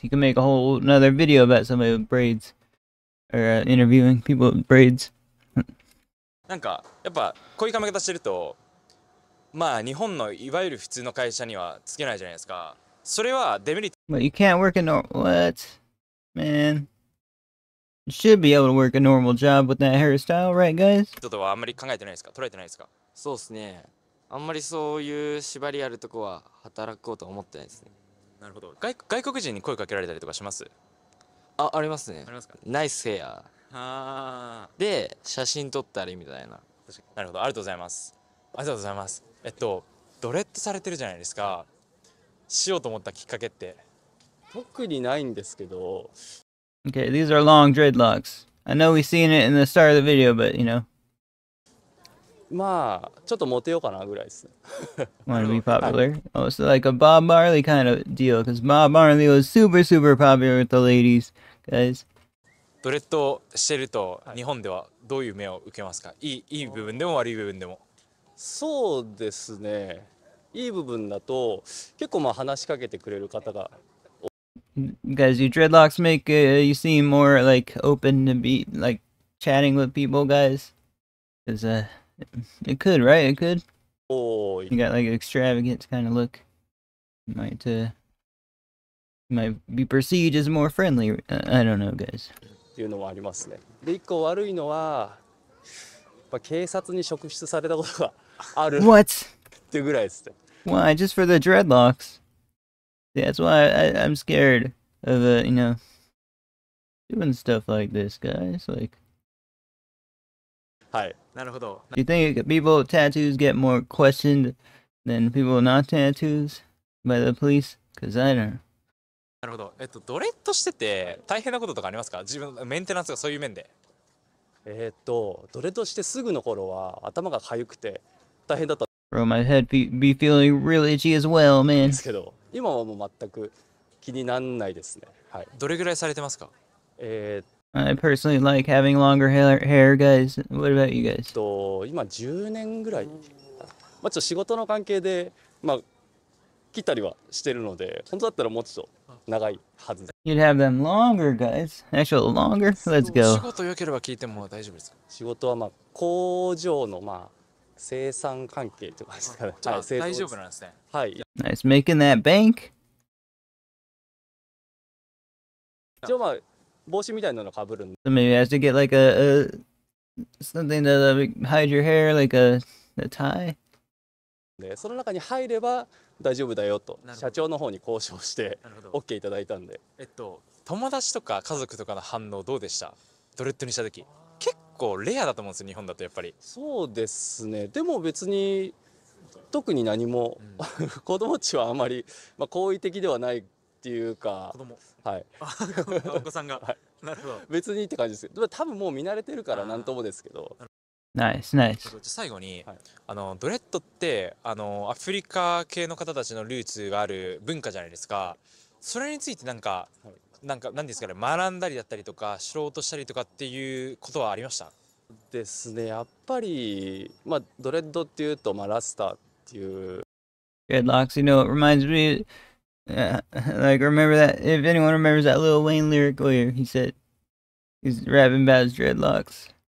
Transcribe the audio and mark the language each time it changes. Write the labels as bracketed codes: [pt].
[en] You can make a whole another video about somebody with braids. Or interviewing people with braids. [ja] なんかやっぱこういう髪型してると、まあ日本のいわゆる普通の会社にはつけないじゃないですか。それはデメリット。 [en] But you can't work a normal what? Man, you should be able to work a normal job with that hairstyle, right, guys? [ja] ちょっとはあんまり考えてないですか、捉えてないですか。そうですね。あんまりそういう縛りあるとこは働こうと思ってないですね。なるほど。外国人に声かけられたりとかします？あ、ありますね。ありますか。ナイスヘア。はあ。で、写真撮ったりみたいな。なるほど、ありがとうございます。ありがとうございます。ドレッドされてるじゃないですか。しようと思ったきっかけって。特にないんですけど。 [en] Okay, these are long dreadlocks. I know we've seen it in the start of the video, but you know. [ja] まあ、ちょっとモテようかなぐらいですね。 [en] Wanna be popular? Oh, it's like a Bob Marley kind of deal, because Bob Marley was super, super popular with the ladies. Guys. [ja] ドレッドしてると日本ではどういう目を受けますか、はい、いい部分でも悪い部分でも。そうですね、いい部分だと結構まあ話しかけてくれる方が。 [en] Guys, your dreadlocks make you seem more like open to be like chatting with people, guys. Because it could, right? It could. Oh, you got like an extravagant kind of look. Might be perceived as more friendly. I don't know, guys. [ja] っていうのもありますね。で、一個悪いのは、まあ警察に職質されたことがある。 [en] What? [ja] っていうぐらいですね。 [en] Why? Just for the dreadlocks? That's why I'm scared of doing stuff like this, guys. Like, [ja] はい、なるほど。 [en] Do you think people with tattoos get more questioned than people not tattoos by the police? Because I don't. [ja] なるほど。ドレッドしてて大変なこととかありますか、自分メンテナンスがそういう面で。ドレッドしてすぐの頃は頭が痒くて大変だった。 [en] Bro, my head be feeling really itchy as well, man. [ja] ですけど、今はもう全く気になんないですね。はい。どれぐらいされてますか。 [en] I personally like having longer hair, guys. What about you guys? [ja] 今10年ぐらい。まあちょっと仕事の関係で、まあ切ったりはしてるので、本当だったらもうちょっと。長いはず。 [en] You'd have them longer, guys. Actually, longer. Let's go. [ja] 仕事良ければ聞いても大丈夫ですか。仕事はまあ工場のまあ生産関係とかですから。じゃあ大丈夫なんですね。はい。 [en] Nice making that bank. [ja] 一応まあ帽子みたいなの被るんで。 [en] So、maybe I have to get like a something that hide your hair, like a tie. [ja] で、その中に入れば。大丈夫だよと社長の方に交渉して OK いただいたんで。友達とか家族とかの反応どうでした、ドレッドにした時。結構レアだと思うんですよ、日本だと。やっぱりそうですね。でも別に特に何も、子供ちはあまり、まあ、好意的ではないっていうか。子供、はい、お子さんが、はい、なるほど。別にって感じですけど、多分もう見慣れてるから何ともですけど。ナイスナイス。じゃあ最後に、はい、あのドレッドってあのアフリカ系の方たちのルーツがある文化じゃないですか。それについてなんか、はい、なんか何ですかね、学んだりだったりとか知ろうとしたりとかっていうことはありました。ですね、やっぱり、まあ、ドレッドっていうと、まあ、ラスターっていう。 [en] Dreadlocks, you know, it reminds me like remember that, if anyone remembers that Lil Wayne lyric where he said he's rapping about his dreadlocks.